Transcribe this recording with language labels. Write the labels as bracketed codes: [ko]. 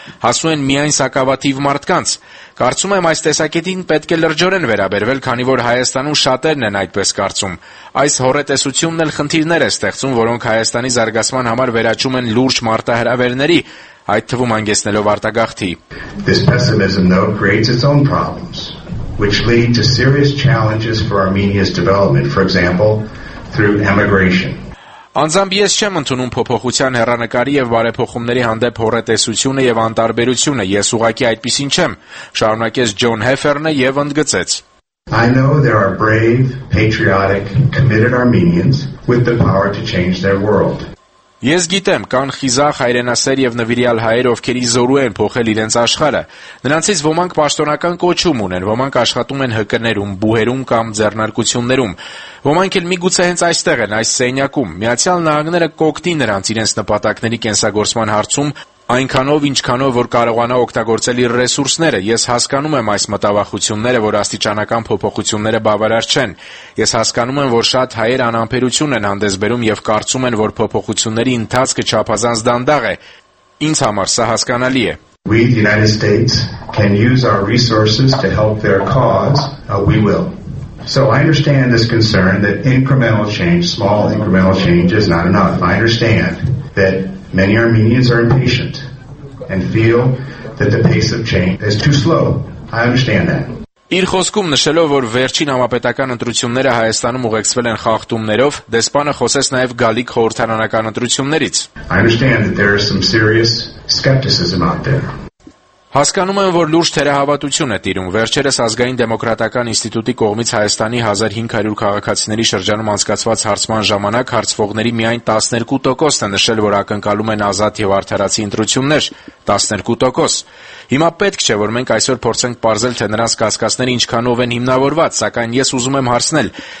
[hy] հասու են միայն սակավաթիվ մարդկանց։ Կարծում եմ այս տեսակետին պետք է լրջորեն վերաբերվել, քանի որ Հայաստանում շատերն են այդպես կարծում։ Այս հորետեսությունն էլ խնդիրներ է ստեղծում, որոնք Հայաստանի զարգացման համար վերաճում են լուրջ մարտահրավերների, այդ թվում անգեսնելով արտագաղթի։ [en] This pessimism though creates its own problems, which lead to serious challenges for Armenia's development, for example, through emigration. [hy] Անձամբ ես չեմ ընդունում փոփոխության հեռանկարի եւ բարեփոխումների հանդեպ հորետեսությունը եւ անտարբերությունը, ես ուղղակի այդպեսին չեմ, շարունակեց Ջոն Հեֆերնը եւ ընդգծեց. [en] I know there are brave, patriotic, committed Armenians with the power to change their world. [hy] Ես գիտեմ, կան խիզախ հայրենասեր եւ նվիրյալ հայեր, ովքեր զորու են փոխել իրենց աշխարը։ Նրանցից ոմանք պաշտոնական կոչում ունեն, ոմանք աշխատում են ՀԿ-ներում, բուհերում կամ ձեռնարկություններում։ Ոմանք էլ միգուցե հենց այստեղ են, այս սենյակում։ Միացյալ Նահանգները կօգտի նրանց իրենց նպատակների կենսագործման հարցում, այնքանով ինչքանով որ կարողանա օգտագործել իր ռեսուրսները։ Ես հասկանում եմ այս մտավախությունները, որ աստիճանական փոփոխությունները բավարար չեն։ Ես հասկանում եմ, որ շատ հայեր անամբերություն են հանդես բերում եւ կարծում են, որ փոփոխությունների ընթացքը չափազանց դանդաղ է։ Ինձ համար սա հասկանալի է։ [en] We the United States can use our resources to help their cause, we will. So I understand this concern that incremental change, small incremental change is not enough. I understand that many Armenians are impatient and feel that the pace of change is too slow. I understand that. [hy] Իր խոսքում նշելով, որ վերջին համապետական ընտրությունները Հայաստանում ուղեկցվել են խախտումներով, դեսպանը խոսեց նաև գալիք խորհրդարանական ընտրություններից. [en] I understand that there is some serious skepticism out there. [hy] Հասկանում եմ, որ լուրջ թերահավատություն է տիրում։ Վերջերս ազգային դեմոկրատական ինստիտուտի կողմից Հայաստանի 1500 քաղաքացիների շրջանում անցկացված հարցման ժամանակ հարցվողների միայն 12% է նշել, որ ակնկալում են ազատ եւ արդարացի ընտրություններ, 12%։ Հիմա պետք չէ, որ մենք այսօր փորձենք պարզել, թե նրանց կասկածները ինչքանով են հիմնավորված, սակայն ես ուզում եմ հարցնել,